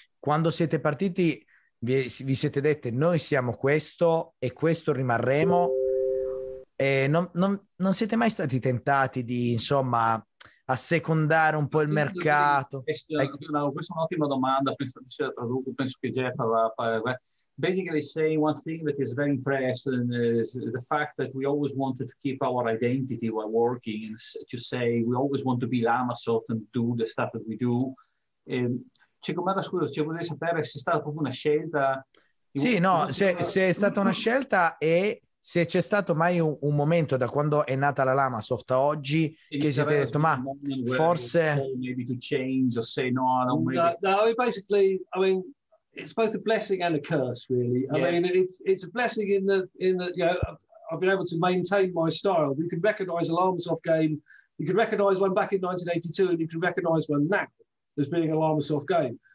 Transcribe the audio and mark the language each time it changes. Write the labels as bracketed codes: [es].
[it] Quando siete partiti vi siete dette: noi siamo questo e questo rimarremo, e non siete mai stati tentati di, insomma, assecondare un po' il mercato? Questa è un'ottima domanda, penso che la traduco, penso che Jeff avrà... [en] Basically saying one thing that is very impressive is the fact that we always wanted to keep our identity while working, to say we always want to be Llamasoft and do the stuff that we do. [it] Ci vorrei sapere se è stata proprio una scelta. Sì, no, se è stata una scelta e se c'è stato mai un momento da quando è nata la Llamasoft a oggi che siete detto, ma forse... [en] Maybe to change or say no, I don't really... No, basically, it's both a blessing and a curse, really. It's a blessing in that, you know, I've been able to maintain my style. You can recognize a Llamasoft game, you can recognize one back in 1982 and you can recognize one now as being a Llamasoft game.